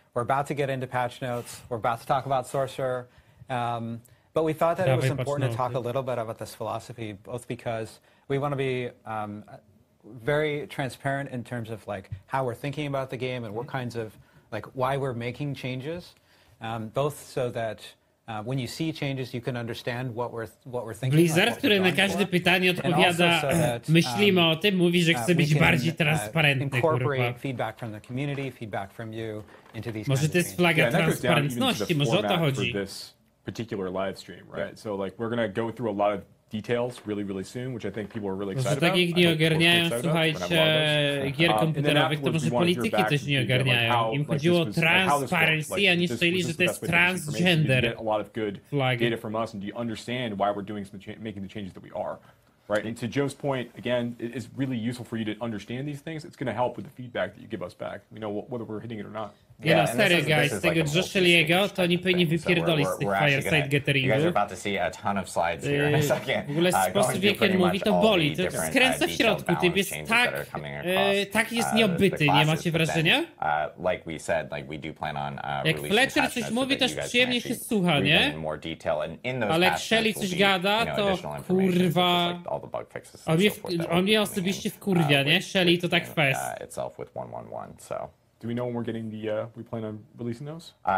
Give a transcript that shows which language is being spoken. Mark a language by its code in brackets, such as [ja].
[en] We're about to get into patch notes. We're about to talk about Sorcerer. But we thought that it was important to talk a little bit about this philosophy, both because we want to be very transparent in terms of like how we're thinking about the game and what kinds of like why we're making changes, both so that when you see changes, you can understand what we're thinking. [pl] Blizzard, który na każde pytanie odpowiada, myślimy o tym, mówi, że chce być bardziej transparentny. [en] Incorporate feedback from the community, feedback from you into these. [pl] Może to jest flaga transparentności, może o to chodzi. [en] Particular live stream, right? Yeah. So like we're gonna go through a lot of details really, really soon, which I think people are really excited about. [pl] Takich nie ogarniają, słuchajcie, gier komputerowych, to może polityki też nie ogarniają. Im chodziło o transparency, a nie stwierdzili, że to jest transgender. [en] Get a lot of good data from us, and do you understand why we're doing some making the changes that we are? Right, and to Joe's point, again, it is really useful for you to understand these things. It's going to help with the feedback that you give us back. We know whether we're hitting it or not. Yeah, no, sorry, guys. [pl] Z tego Joshua'ego, to oni pewnie wypierdoli z tych Fireside Gatheringów. [en] You guys are about to see a ton of slides here in a second. [pl] W ogóle sposób, w jaki on mówi, to boli. To skręca w środku. Typ jest tak jest nieobyty. Nie macie wrażenia? [en] Like we said, like we do plan on [pl] jak Fletcher coś mówi, to przyjemnie się słucha, nie? Ale jak Shelley coś gada, to kurwa... [en] All the bug fixes and so forth. [pl] On mnie osobiście wkurwia, nie? Shelley to tak fest. [en] Itself with 111, so. Do we know when we're getting the, we plan on releasing those?